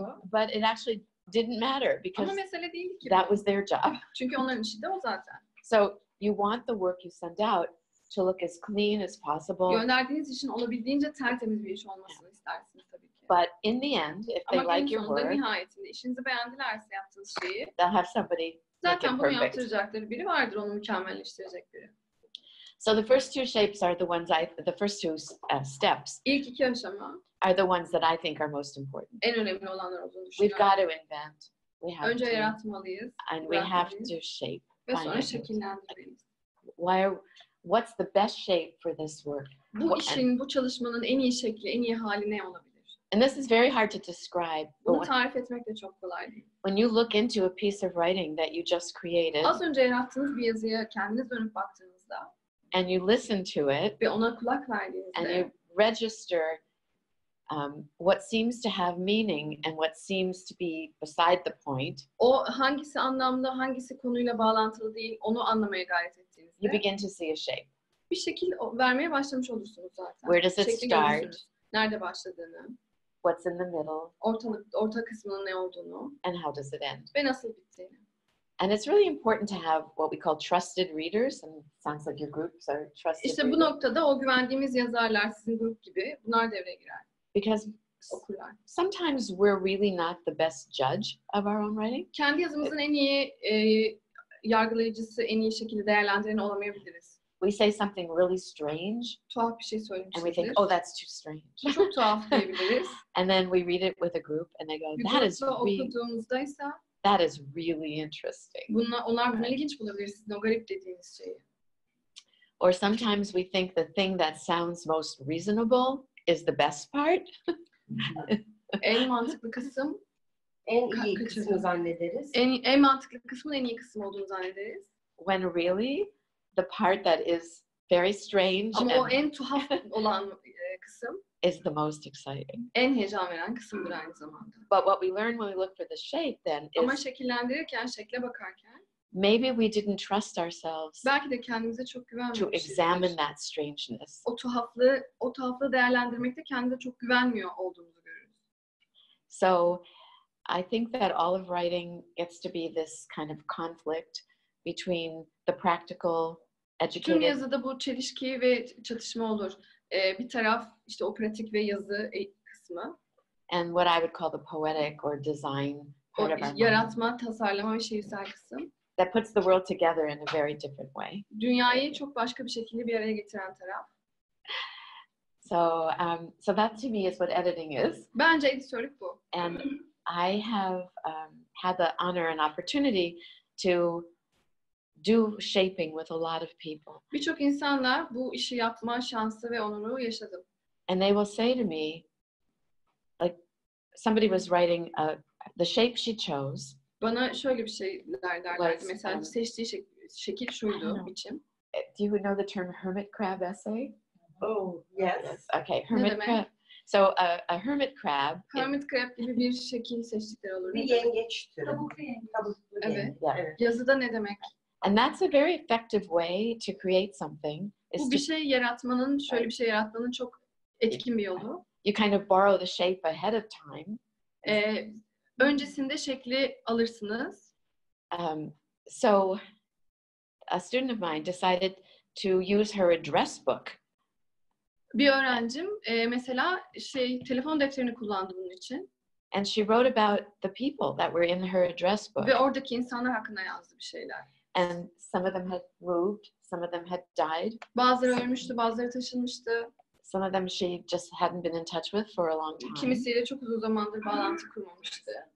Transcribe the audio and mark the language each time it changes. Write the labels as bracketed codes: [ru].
[en] But it actually didn't matter because that was their job. [tr] Çünkü onların işi de o zaten. [en] So you want the work you send out to look as clean as possible. [tr] Gönderdiğiniz işin olabildiğince tertemiz bir iş olmasını istersiniz tabii ki. [en] But in the end, if they like your work, [tr] nihayetinde işinizi beğendilerse yaptığınız şeyi, [en] they'll have somebody [tr] zaten bunu yaptıracakları biri vardır, onu mükemmelleştirecek biri. [en] So the first two shapes are the ones the first two steps. [tr] İlk iki aşama. [en] Are the ones that I think are most important. [tr] En önemli olanlar olduğunu düşünüyorum. [en] We've got to invent. We have [tr] önce [en] to. [tr] Önce yaratmalıyız. [en] And we have to shape. [tr] Ve sonra şekillendirmeliyiz. [en] Why? What's the best shape for this work? [tr] Bu işin, bu çalışmanın en iyi şekli, en iyi hali ne olabilir? [en] And this is very hard to describe. [tr] Bunu tarif etmek de çok kolay değil. [en] When you look into a piece of writing that you just created. [tr] Az önce yarattığınız bir yazıya kendiniz dönüp baktığınızda. [en] And you listen to it. [tr] Ve ona kulak verdiğinizde. [en] And you register what seems to have meaning and what seems to be beside the point. [tr] O hangisi anlamda, hangisi konuyla bağlantılı değil, onu anlamaya gayret ettiğinizde. [en] You begin to see a shape. [tr] Bir şekil vermeye başlamış olursunuz zaten. [en] Where does it start? [tr] Nerede başladığını. [en] What's in the middle? [tr] Orta kısmının ne olduğunu. [en] And how does it end? [tr] Ve nasıl bittiğini. [en] And it's really important to have what we call trusted readers, and it sounds like your groups are trusted. [tr] İşte bu noktada o güvendiğimiz yazarlar sizin grup gibi, bunlar devreye girer. [en] Because sometimes we're really not the best judge of our own writing. [tr] Kendi yazımızın en iyi yargılayıcısı, en iyi şekilde değerlendireni olamayabiliriz. [en] We say something really strange. [tr] Tuhaf bir şey söylemişizdir. [en] And we think, oh, that's too strange. [tr] Çok tuhaf diyebiliriz. [en] And then we read it with a group, and they go, that is [tr] okuduğumuzda ise. [en] That is really interesting. [tr] Onlar bunu ilginç bulabilir, sizin o garip dediğiniz şeyi. [en] Or sometimes we think the thing that sounds most reasonable is the best part. [tr] En mantıklı kısım. En iyi kısmı zannederiz. En mantıklı kısmın en iyi kısmı olduğunu zannederiz. [en] When really, the part that is very strange. [tr] Ama o en tuhaf olan kısım. [en] Is the most exciting. [tr] En heyecan veren kısımdır aynı zamanda. [en] But what we learn when we look for the shape then is. [tr] Ama şekillendirirken, şekle bakarken. [en] Maybe we didn't trust ourselves. [tr] Belki de kendimize çok güvenmiyoruz. [en] To examine that strangeness. [tr] O tuhaflığı değerlendirmekte kendimize çok güvenmiyor olduğumuzu görürüz. [en] So, I think that all of writing gets to be this kind of conflict between the practical, educated. [tr] Tüm yazıda bu çelişki ve çatışma olur. Bir taraf işte o pratik ve yazı kısmı. [en] And what I would call the poetic or design part of our mind. [tr] Yaratma, tasarlama ve şiirsel kısım. [en] That puts the world together in a very different way. [tr] Dünyayı çok başka bir şekilde bir araya getiren taraf. [en] So that to me is what editing is. [tr] Bence editörlük bu. [en] And I have had the honor and opportunity to do shaping with a lot of people. [tr] Birçok insanla bu işi yapma şansı ve onuru yaşadım. [en] And they will say to me, like somebody was writing the shape she chose. [tr] Bana şöyle bir şey derlerdi. Mesela seçtiği şekil şuydu, biçim. [en] Do you know the term hermit crab essay? Oh, yes. Okay, hermit crab. So a hermit crab. [tr] Hermit crab gibi bir şekil seçtikleri olur. Bir yengeç türü. Tabuklu yengeç. Evet. Yazıda ne demek? [en] And that's a very effective way to create something. [tr] Bu bir şey yaratmanın, şöyle bir şey yaratmanın çok etkin bir yolu. [en] You kind of borrow the shape ahead of time. [tr] Öncesinde şekli alırsınız. [en] So a student of mine decided to use her address book. [tr] Bir öğrencim mesela şey telefon defterini kullandı bunun için. [en] And she wrote about the people that were in her address book. [tr] Ve oradaki insanlar hakkında yazdı bir şeyler. [en] And some of them had moved, some of them had died. [tr] Bazıları ölmüştü, bazıları taşınmıştı. [en] Some of them she just hadn't been in touch with for a long time. [tr] Kimisiyle çok uzun zamandır bağlantı kurmamıştı.